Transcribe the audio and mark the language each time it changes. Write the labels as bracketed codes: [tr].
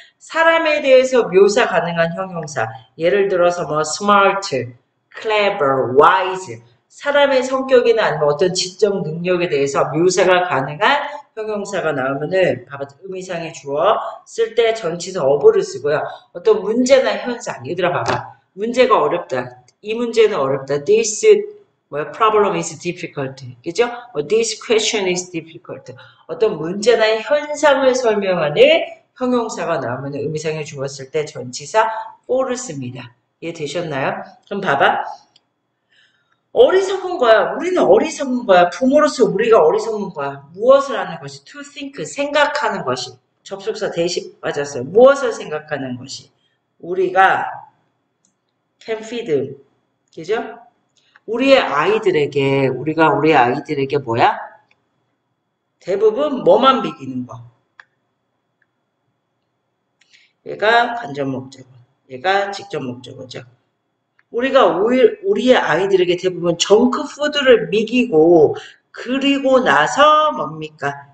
[ko] 사람에 대해서 묘사 가능한 형용사. 예를 들어서 뭐 [en] smart, clever, wise. [ko] 사람의 성격이나 아니면 어떤 지적 능력에 대해서 묘사가 가능한 형용사가 나오면은 봐봐. 의미상의 주어 쓸때 전치사 of를 쓰고요. 어떤 문제나 현상. 얘들아 봐봐. 문제가 어렵다. 이 문제는 어렵다. [en] This [ko] 뭐야, [en] problem is difficult. [ko] 그죠? [en] This question is difficult. [ko] 어떤 문제나 현상을 설명하는 형용사가 나오면 의미상에 주었을 때 전치사 for를 씁니다. 이해 되셨나요? 그럼 봐봐. 어리석은 거야. 우리는 어리석은 거야. 부모로서 우리가 어리석은 거야. 무엇을 하는 것이? [en] To think. [ko] 생각하는 것이. 접속사 대시 빠졌어요. 무엇을 생각하는 것이? 우리가 [en] can feed. [ko] 그죠? 우리의 아이들에게, 우리가 우리 아이들에게 뭐야? 대부분 뭐만 먹이는 거? 얘가 간접 목적어, 얘가 직접 목적어죠. 우리가 우리의 아이들에게 대부분 정크푸드를 먹이고, 그리고 나서 뭡니까?